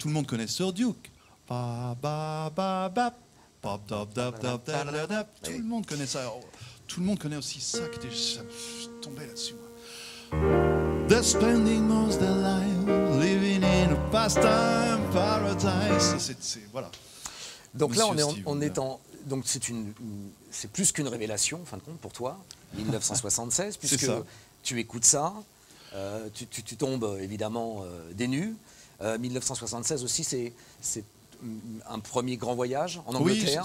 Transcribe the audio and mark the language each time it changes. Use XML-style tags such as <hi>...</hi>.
<fr>Tout le monde connaît Sir Duke. Ba ba ba ba. Pop dop dop dop da da da. Tout le monde connaît ça. Tout le monde connaît aussi ça, que je tombais là-dessus. Moi.</fr> <en>They're spending most their life living in a pastime paradise.</en> <fr>C'est voilà. Donc Monsieur là, on est en. Donc c'est une. C'est plus qu'une révélation, en fin de compte, pour toi, 1976, puisque tu écoutes ça, tu tombes évidemment des nues. 1976 aussi, c'est un premier grand voyage en Angleterre.</fr>